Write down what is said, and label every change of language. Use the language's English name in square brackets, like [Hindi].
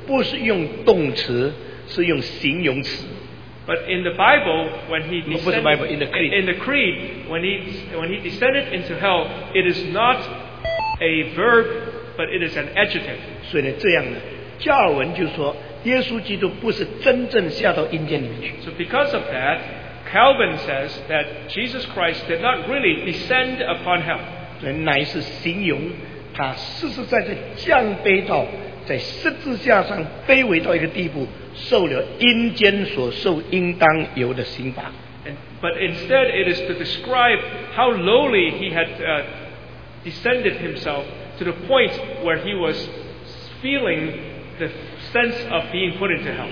[Chinese] 圣经里面耶稣下阴间这个字不是用动词，是用形容词。 [English] But in the Bible, when he descended, [Chinese] 不是 [English] Bible, in the Creed, in the Creed, when he descended into hell, it is not a verb, but it is an adjective. [Chinese] 所以呢，这样呢，加尔文就说耶稣基督不是真正下到阴间里面去。 [English] So because of that, Calvin says that Jesus Christ did not really descend upon hell. [Chinese] 乃是形容他实实在在降卑到在十字架上卑微到一个地步，受了阴间所受应当有的刑罚。 [English] But instead, it is to describe how lowly he had descended himself to the point where he was feeling the sense of being put into hell.